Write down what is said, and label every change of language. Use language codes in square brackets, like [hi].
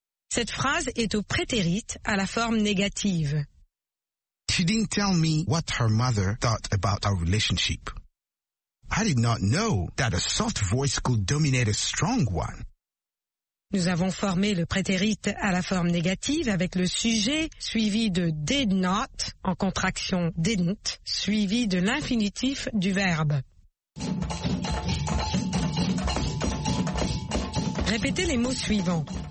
[fr] Cette phrase est au prétérit, à la forme négative. [en] She didn't tell me what her mother thought about our relationship. I did not know that a soft voice could dominate a strong one. [fr] Nous avons formé le prétérit à la forme négative avec le sujet suivi de did not en contraction didn't suivi de l'infinitif du verbe. Répétez les mots suivants.